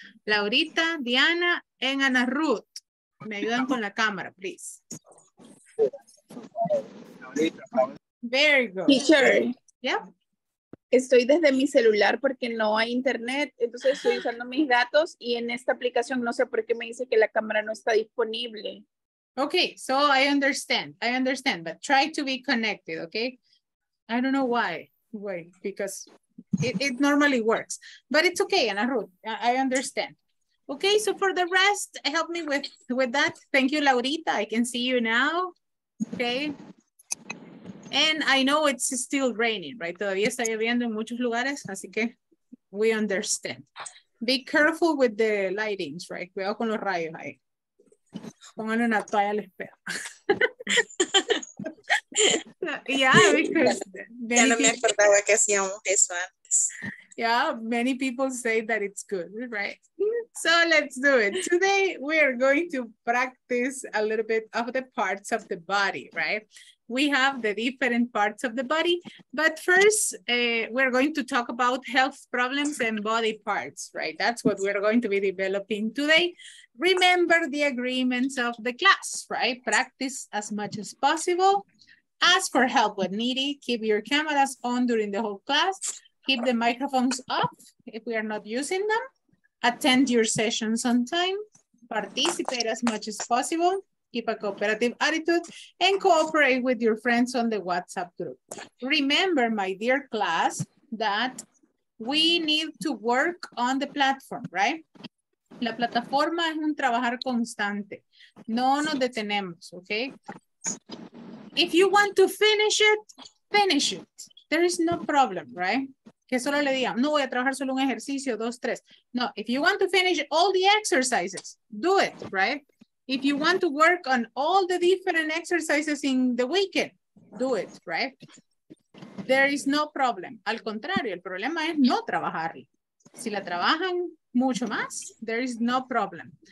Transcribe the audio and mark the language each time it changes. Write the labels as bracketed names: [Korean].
[Spanish] Laurita, Diana, en Ana Ruth. Me ayudan con la cámara, please. [English] Very good. Teacher. Yeah. [Spanish] Estoy desde mi celular porque no hay internet, entonces estoy usando mis datos y en esta aplicación no sé por qué me dice que la cámara no está disponible. [English] Okay, so I understand, but try to be connected, okay? I don't know why, wait, because it normally works, but it's okay, Ana Ruth, I understand. Okay, so for the rest, help me with that. Thank you, Laurita, I can see you now, okay? And I know it's still raining, right? [Spanish] Todavía está lloviendo en muchos lugares, así que [English] we understand. Be careful with the lightings, right? [Spanish] Cuidado con los rayos ahí. Pónganle una toalla al espejo. [English] Yeah, because [Spanish] ya no me acordaba que hacíamos eso antes. [English] Yeah, many people say that it's good, right? So let's do it. Today, we are going to practice a little bit of the parts of the body, right? We have the different parts of the body, but first we're going to talk about health problems and body parts, right? That's what we're going to be developing today. Remember the agreements of the class, right? Practice as much as possible. Ask for help when needed. Keep your cameras on during the whole class. Keep the microphones off if we are not using them. Attend your sessions on time. Participate as much as possible. Keep a cooperative attitude and cooperate with your friends on the WhatsApp group. Remember, my dear class, that we need to work on the platform, right? [Spanish] La plataforma es un trabajar constante. No nos detenemos, okay? [English] If you want to finish it, finish it. There is no problem, right? [Spanish] Que solo le digan, no voy a trabajar solo un ejercicio, dos, tres. [English] No, if you want to finish all the exercises, do it, right? If you want to work on all the different exercises in the weekend, do it, right? There is no problem. [Spanish] Al contrario, el problema es no trabajar. Si la trabajan mucho más, [English] there is no problem.